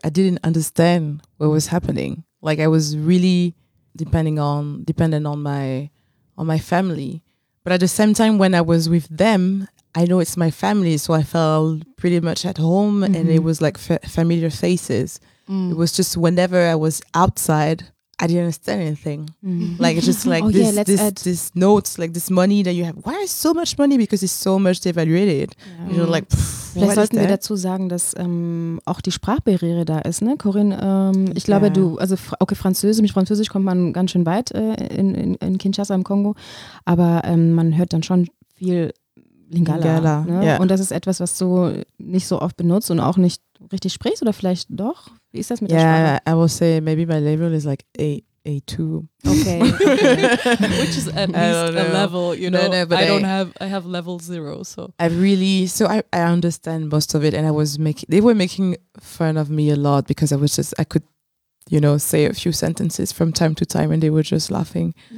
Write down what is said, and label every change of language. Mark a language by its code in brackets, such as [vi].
[en] I didn't understand what was happening. Like I was really dependent on my family, but at the same time when I was with them, I know it's my family, so I felt pretty much at home, and it was like familiar faces. It was just whenever I was outside, I didn't understand anything. Like it's just like this notes, like this money that you have, why is so much money, because it's so much devaluated. You know, like [de] vielleicht sollten wir dazu sagen, dass auch die Sprachbarriere da ist, ne, Corinne? Ich glaube, du, also okay, Französisch kommt man ganz schön weit in Kinshasa im Kongo, aber man hört dann schon viel Lingala. Ne? Yeah. Und das ist etwas, was du nicht so oft benutzt und auch nicht richtig sprichst oder vielleicht doch? Wie ist das mit der Sprache? [en] Yeah, I will say maybe my level is like A2. Okay. Which is at least a level, you know. I have level zero, so. I understand most of it, and they were making fun of me a lot because I could, you know, say a few sentences from time to time and they were just laughing.